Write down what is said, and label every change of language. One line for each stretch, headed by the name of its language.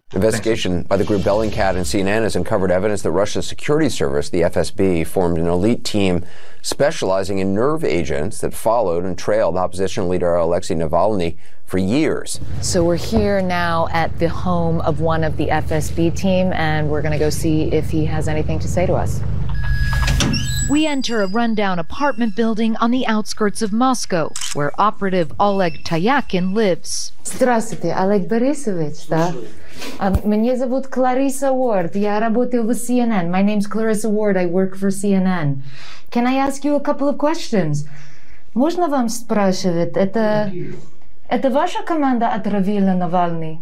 English: Investigation by the group Bellingcat and CNN has uncovered evidence that Russia's security service, the FSB, formed an elite team specializing in nerve agents that followed and trailed opposition leader Alexei Navalny for years. So we're here now at the home of one of the FSB team, and we're going to go see if he has anything to say to us. We enter a rundown apartment building on the outskirts of Moscow, where operative Oleg Tayakin lives.
Russian: Здравствуйте, Олег Борисович, да? Меня зовут Клариса Уорд, я работаю в CNN.
English: My name's Clarissa Ward, I work for CNN. Can I ask you a couple of questions?
Russian: Можно вам спрашивать, это ваша команда отравила Навальный?